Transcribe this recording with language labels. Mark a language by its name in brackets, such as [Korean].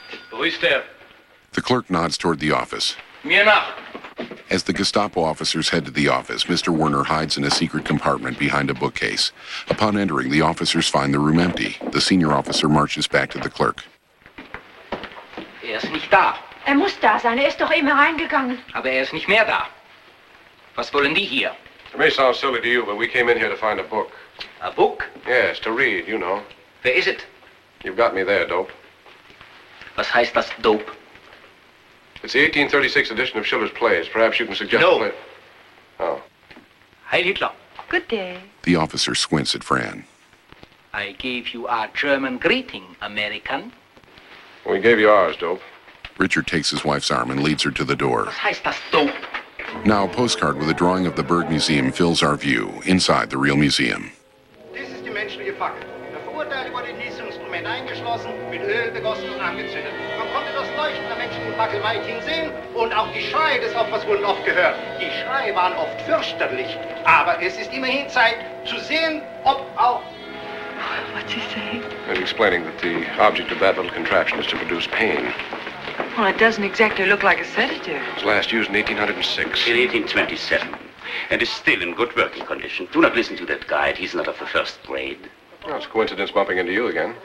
[English] Who is there? The clerk nods toward the office. [German] Mir nach. [English] As the Gestapo officers head to the office, Mr. Werner hides in a secret compartment behind a bookcase. Upon entering, the officers find the room empty. The senior officer marches back to the clerk. [German] Er ist nicht da. Er muss da sein. Er ist doch eben hereingegangen. Aber er ist nicht mehr da. Was wollen die hier? [English] It may sound silly to you, but we came in here to find a book. A book? Yes, to read, you know. Where is it? You've got me there, dope. [German] Was heißt das, dope? [English] It's the 1836 edition of Schiller's plays. Perhaps you can suggest... No. [German] Heil Hitler. [English] Good day. The officer squints at Fran. I gave you our German greeting, American. We gave you ours, dope. Richard takes his wife's arm and leads her to the door. [German] Was heißt das, dope? [English] Now, a postcard with a drawing of the Berg Museum fills our view inside the real museum. This is the [German] menschliche Fackel. Der Verurteilte wurde in dieses Instrument eingeschlossen, mit Öl begossen und angezündet. Man konnte das Leuchten der Menschen in Bagelmeitin sehen und auch die Schreie des Opfers wurden oft gehört. Die Schreie waren oft fürchterlich, aber es ist immerhin Zeit zu sehen, ob auch... [English] What's he saying? He's explaining that the object of that little contraption is to produce pain. Well, it doesn't exactly look like a sedative. It was last used in 1806. In 1827. And is still in good working condition. Do not listen to that guide. He's not of the first grade. Well, it's a coincidence bumping into you again.